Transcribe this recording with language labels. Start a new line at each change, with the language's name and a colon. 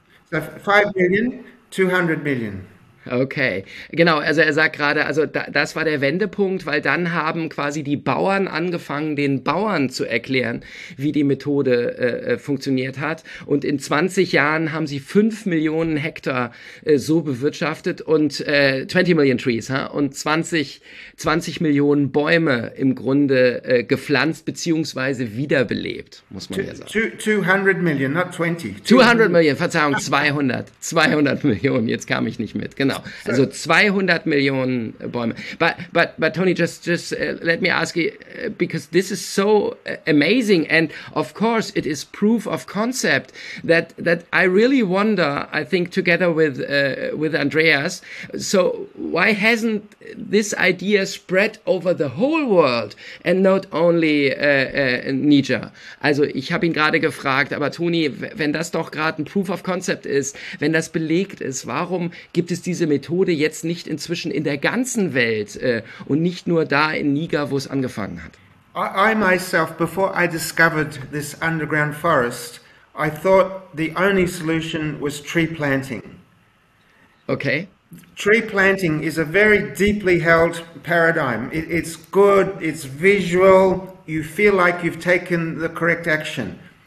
English: So 5 million, 200 million.
German: Okay, genau, also er sagt gerade, also das war der Wendepunkt, weil dann haben quasi die Bauern angefangen, den Bauern zu erklären, wie die Methode funktioniert hat. Und in 20 Jahren haben sie 5 Millionen Hektar so bewirtschaftet und 20 Millionen Trees, ha? Und 20 Millionen Bäume im Grunde gepflanzt beziehungsweise wiederbelebt, muss man ja sagen. 200 Millionen,
English: not 20.
German: 200 Millionen, Verzeihung, 200. 200 Millionen, jetzt kam ich nicht mit, genau. Genau. Also 200 Millionen Bäume.
English: But Tony, just let me ask you, because this is so amazing, and of course it is proof of concept that I really wonder. I think together with Andreas. So why hasn't this idea spread over the whole world and not only Niger?
German: Also ich habe ihn gerade gefragt, aber Tony, wenn das doch gerade ein Proof of Concept ist, wenn das belegt ist, warum gibt es diese Methode jetzt nicht inzwischen in der ganzen Welt und nicht nur da in Niger, wo es angefangen hat?
English: I myself, before I discovered this underground forest, I thought the only solution was tree planting. Okay. Tree planting is a very deeply held paradigm. It's good, it's visual, you feel like you've taken the correct action.